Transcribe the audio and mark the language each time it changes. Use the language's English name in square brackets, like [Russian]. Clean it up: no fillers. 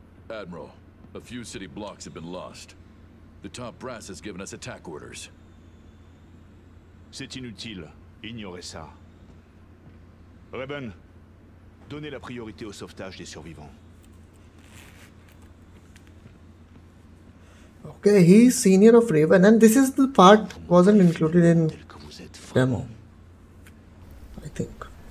[English] Admiral, a few city blocks have been lost. The top brass has given us attack orders. [French] C'est inutile. Ignorez ça. Reben, donnez la priorité au sauvetage des survivants. [English] Okay, he's senior of Reben, and this is the part wasn't included in demo, I think.